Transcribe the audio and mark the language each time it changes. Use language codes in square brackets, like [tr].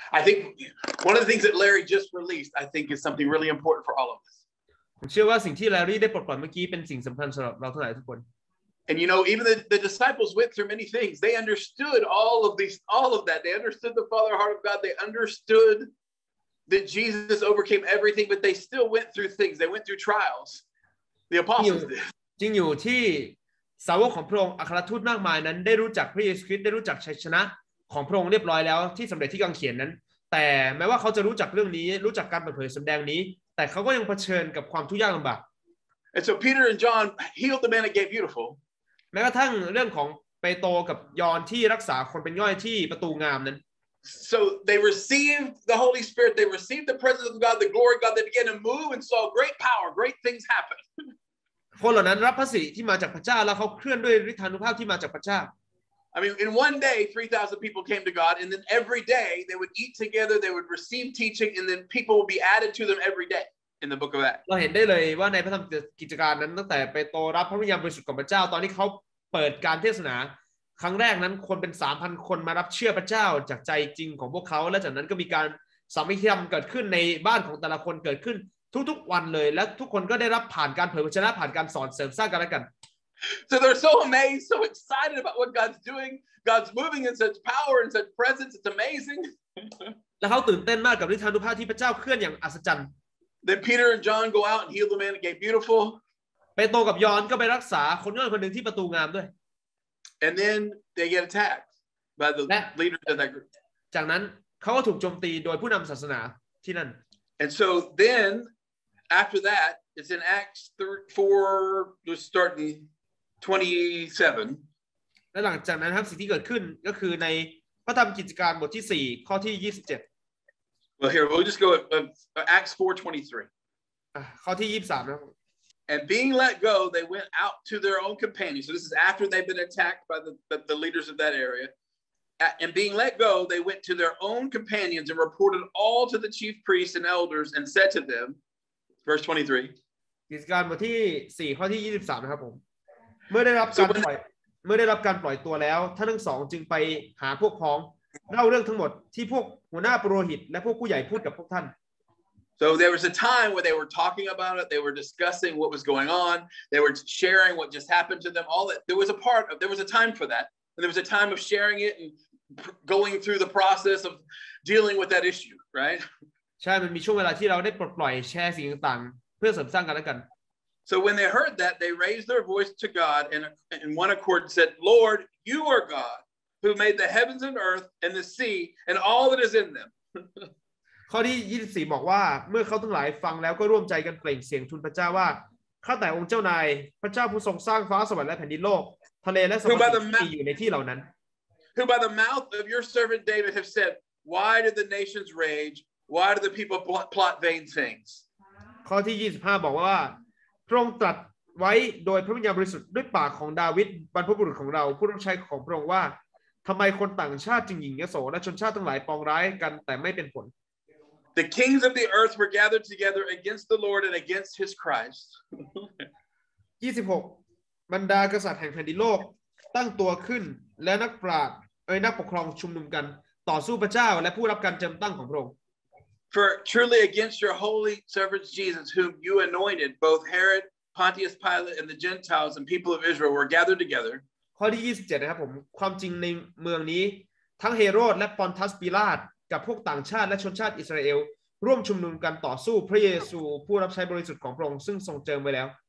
[en] I think one of the things that Larry just released, I think, is something really important for all of us. [th] ผมเชื่อว่าสิ่งที่ Larry ได้ปลดปล่อยเมื่อกี้เป็นสิ่งสำคัญสำหรับเราทั้งหลายทุกคน [en] And you know, even the disciples went through many things. They understood all of these, all of that. They understood the Father, heart of God. They understood that Jesus overcame everything, but they still went through things. They went through trials. The apostles did. [th] จริงอยู่ที่สาวกของพระองค์อัครทูตมากมายนั้นได้รู้จักพระเยซูคริสต์ได้รู้จักชัยชนะของพระองค์เรียบร้อยแล้วที่สำเร็จที่กางเขนนั้นแต่แม้ว่าเขาจะรู้จักเรื่องนี้รู้จักการเปิดเผยสำแดงนี้แต่เขาก็ยังเผชิญกับความทุกข์ยากลำบาก [en] And so Peter and John healed the man at Gate Beautiful. [th] แม้กระทั่งเรื่องของเปโตรกับยอนที่รักษาคนเป็นย่อยที่ประตูงามนั้น [en] So they received the Holy Spirit. They received the presence of God, the glory of God. They began to move and saw great power, great things happen. [th] คนเหล่านั้นรับพระสิริที่มาจากพระเจ้าแล้วเขาเคลื่อนด้วยฤทธานุภาพที่มาจากพระเจ้า [en] I mean, in one day, 3,000 people came to God, and then every day they would eat together, they would receive teaching, and then people would be added to them every day in the book of Acts. [th] เราเห็นได้เลยว่าในพระธรรมกิจการนั้นตั้งแต่ไปโตรับพระวิญญาณบริสุทธิ์ของพระเจ้าตอนที่เขาเปิดการเทศนาครั้งแรกนั้นคนเป็น 3,000 คนมารับเชื่อพระเจ้าจากใจจริงของพวกเขาและจากนั้นก็มีการสัมมิธรรมเกิดขึ้นในบ้านของแต่ละคนเกิดขึ้นทุกๆวันเลยและทุกคนก็ได้รับผ่านการเผยพระชนะผ่านการสอนเสริมสร้างกันและกัน [en] So they're so amazed, so excited about what God's doing. God's moving in such power and such presence. It's amazing. [th] แล้วเขาตื่นเต้นมากกับฤทธานุภาพที่พระเจ้าเคลื่อนอย่างอัศจรรย์ [en] Then Peter and John go out and heal the man at Gate Beautiful. [th] ไปโตกับยอนก็ไปรักษาคนย่อยคนหนึ่งที่ประตูงามด้วย [en] And then they get attacked by the leaders of that group. [th] จากนั้นเขาก็ถูกโจมตีโดยผู้นำศาสนาที่นั่น [en] And so then after that, it's in Acts 4, we're starting. 27 [th] และหลังจากนั้นครับสิ่งที่เกิดขึ้นก็คือในพระธรรมกิจการบทที่4ข้อที่27 [en] Well here we'll just go at Acts 4:23 [th] ข้อที่23นะ [en] And being let go they went out to their own companions so this is after they've been attacked by the leaders of that area and being let go they went to their own companions and reported all to the chief priests and elders and said to them verse 23 [th] กิจการบทที่4ข้อที่23นะครับผมเมื่อได้รับการปล่อยเมื่อได้รับการปล่อยตัวแล้วท่านทั้งสองจึงไปหาพวกพ้องเล่าเรื่องทั้งหมดที่พวกหัวหน้าปุโรหิตและพวกผู้ใหญ่พูดกับพวกท่าน [en] So there was a time where they were talking about it they were discussing what was going on they were sharing what just happened to them all that there was a part of there was a time for that and there was a time of sharing it and going through the process of dealing with that issue right [th] ใช่มันมีช่วงเวลาที่เราได้ปล่อยแชร์สิ่งต่างๆเพื่อเสริมสร้างกันและกัน [en] So when they heard that, they raised their voice to God and in one accord said, Lord, you are God who made the heavens and earth and the sea and all that is in them. [th] ข้อที่24บอกว่าเมื่อเขาทั้งหลายฟังแล้วก็ร่วมใจกันเปล่งเสียงทูลพระเจ้าว่าข้าแต่องค์เจ้านายพระเจ้าผู้ทรงสร้างฟ้าสวรรค์และแผ่นดินโลกทะเลและสมุทรที่อยู่ในที่เหล่านั้น [en] Who by the mouth of your servant David have said, Why did the nations rage? Why do the people plot vain things? [th] ข้อที่25บอกว่าพระองค์ตรัสไว้โดยพระวิญญาณบริสุทธิ์ด้วยปากของดาวิดบรรพบุรุษของเราผู้รับใช้ของพระองค์ว่าทำไมคนต่างชาติจึงหยิ่งยโสและชนชาติทั้งหลายปองร้ายกันแต่ไม่เป็นผล [en] The kings of the earth were gathered together against the Lord and against his Christ [th] 26บรรดากษัตริย์แห่งแผ่นดินโลกตั้งตัวขึ้นและนักปราชญ์นักปกครองชุมนุมกันต่อสู้พระเจ้าและผู้รับการเจิมตั้งของพระองค์ [en] For truly against your holy servant Jesus, whom you anointed, both Herod, Pontius Pilate, and the Gentiles and people of Israel were gathered together. [th] ข้อที่27นะครับผมความจริงในเมืองนี้ทั้งเฮโรดและปอนทัสปิลาตกับพวกต่างชาติและชนชาติอิสราเอลร่วมชุมนุมกันต่อสู้พระเยซูผู้รับใช้บริสุทธิ์ของพระองค์ซึ่งทรงเจิมไว้แล้ว